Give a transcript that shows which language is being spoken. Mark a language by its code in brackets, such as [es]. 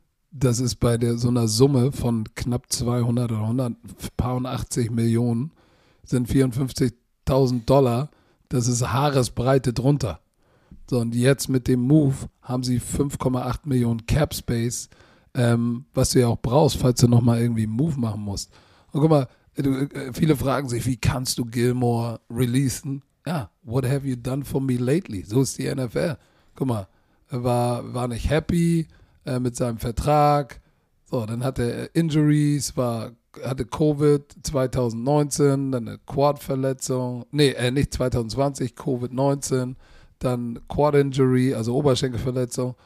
[de] Das ist bei so einer Summe von knapp 200 oder 180 Millionen sind $54,000. Das ist Haaresbreite drunter. So, und jetzt mit dem Move haben sie 5,8 Millionen Cap Space, was du ja auch brauchst, falls du nochmal irgendwie einen Move machen musst. Und guck mal, viele fragen sich, wie kannst du Gilmore releasen? [en] Ja, what have you done for me lately? [de] So ist die NFL. Guck mal, er war nicht happy mit seinem Vertrag. So, dann hatte er Injuries, hatte Covid 2019, dann eine Quad-Verletzung. Nicht 2020, Covid-19. Dann Quad Injury, also Oberschenkelverletzung.